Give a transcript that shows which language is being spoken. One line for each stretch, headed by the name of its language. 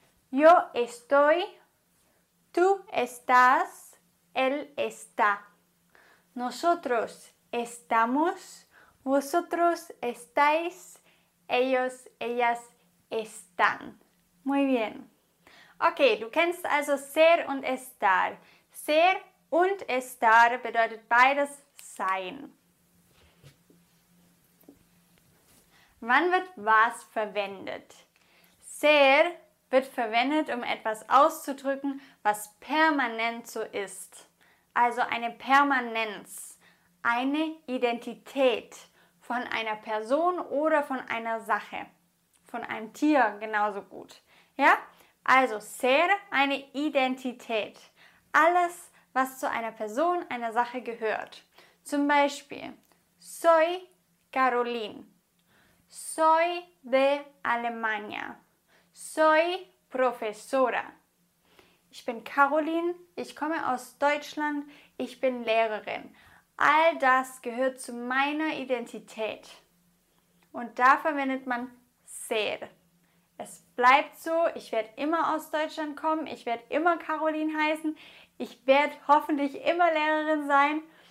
Spanish: Yo estoy, tú estás, él está. Nosotros estamos, vosotros estáis, ellos, ellas están. Muy bien.
German: Okay, du kennst also ser und estar. Ser und estar bedeutet beides sein. Wann wird was verwendet? Ser wird verwendet, um etwas auszudrücken, was permanent so ist. Also eine Permanenz, eine Identität von einer Person oder von einer Sache, von einem Tier genauso gut. Ja? Also ser eine Identität, alles, was zu einer Person, einer Sache gehört. Zum Beispiel,
Spanish: soy Caroline, soy de Alemania, soy profesora.
German: Ich bin Caroline, ich komme aus Deutschland, ich bin Lehrerin. All das gehört zu meiner Identität. Und da verwendet man ser. Es bleibt so, ich werde immer aus Deutschland kommen, ich werde immer Caroline heißen, ich werde hoffentlich immer Lehrerin sein.